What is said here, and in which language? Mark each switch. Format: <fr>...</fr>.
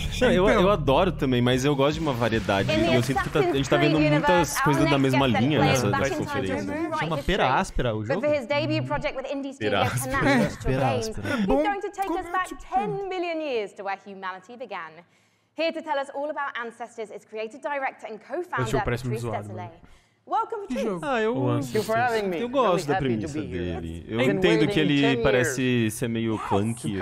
<pt>Não, eu adoro também, mas eu gosto de uma variedade. E eu sinto que a gente tá vendo muitas coisas da mesma linha nessa conferência. Chama Pera Áspera o jogo? Pera Áspera. Pera Áspera. É bom. Ele vai nos levar 10 milhões de anos para onde a humanidade começou.</pt> <en>Here to tell us all about Ancestors is creative director and co-founder Patrice Desilets. Welcome to</en> <pt>Jogo. Ah, eu gosto. Eu gosto da premissa dele. Eu entendo que ele parece ser meio clunky.</pt>